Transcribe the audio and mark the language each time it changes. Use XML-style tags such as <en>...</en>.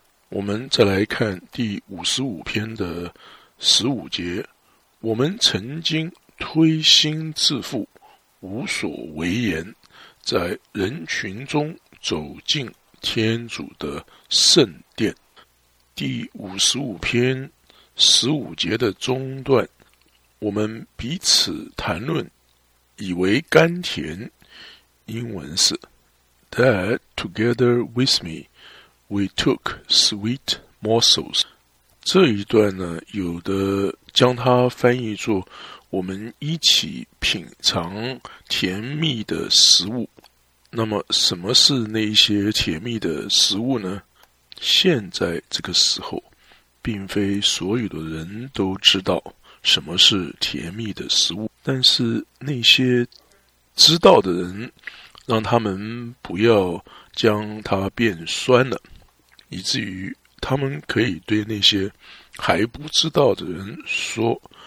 <zh>我们再来看第55篇的15节，我们曾经推心置腹，无所为言，在人群中走进天主的圣殿。第55篇15节的中段，我们彼此谈论，以为甘甜。英文是</zh> <en>That together with me we took sweet morsels。</en> <zh>这一段呢，有的将它翻译作我们一起品尝甜蜜的食物。那么什么是那些甜蜜的食物呢？现在这个时候，并非所有的人都知道什么是甜蜜的食物，但是那些知道的人，让他们不要将它变酸了，以至于他们可以对那些还不知道的人说，</zh>